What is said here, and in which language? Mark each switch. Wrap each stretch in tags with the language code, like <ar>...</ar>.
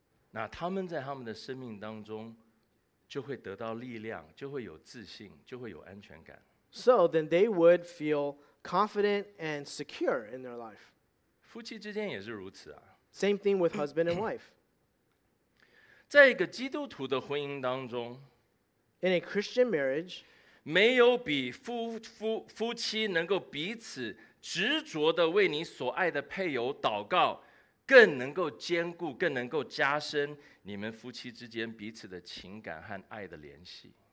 <zh>那他们在他们的生命当中就会得到力量，就会有自信，就会有安全感。</zh> <en>So then they would feel confident and secure in their life.</en> <zh>夫妻之间也是如此啊。</zh> <en>Same thing with husband and wife.</en> <zh>在一个基督徒的婚姻当中，</zh> <en>In a Christian marriage,</en> <zh>没有比 夫妻能够彼此执着地为你所爱的配偶祷告更能够坚固，更能够加深你们夫妻之间彼此的情感和爱的联系。</zh>